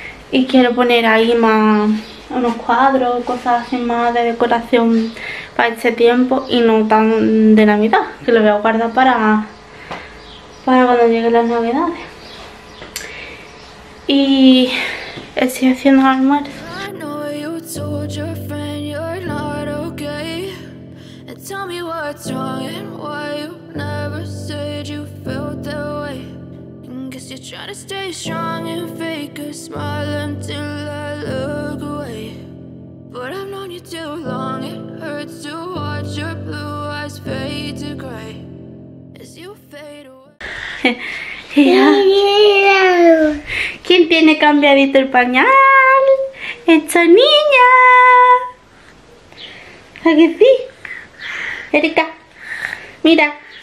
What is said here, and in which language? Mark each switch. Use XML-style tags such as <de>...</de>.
<es>Y quiero poner ahí más unos cuadros, cosas así más de decoración para este tiempo y no tan de Navidad, que lo voy a guardar para cuando lleguen las Navidades. Y estoy haciendo almuerzo.</es> <en>I know you told your friend you're not okay. And tell me what's wrong and why you never said you felt that way. Guess you're trying to stay strong and fake a smile until I look away. But I've known you too long, it hurts to watch your blue eyes fade to gray. As you fade away.</en> <es>¿Quién tiene cambiadito el pañal? ¡Esta niña! ¿A que sí? Erika, mira.</es>